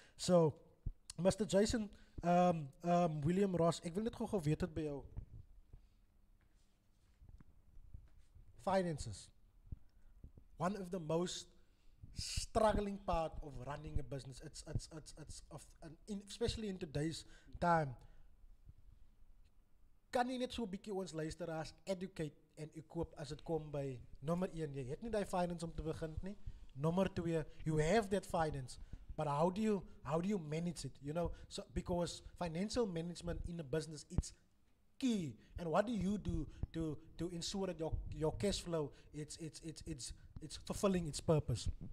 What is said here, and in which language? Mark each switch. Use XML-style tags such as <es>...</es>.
<af>So Mr. Jason, William Ross, ek wil net gou weet het by jou.</af> <en>Finances. One of the most struggling part of running a business. It's of an in, especially in today's time.</en> <af>Kan jy net so 'n bietjie ons luisteraars educate en equip as dit kom by nommer 1, jy het nie daai finance om te begin nie. Nommer 2,</af> <en>you have that finance, but how do you manage it? You know, so because financial management in a business, it's key. And what do you do to ensure that your cash flow it's fulfilling its purpose?</en>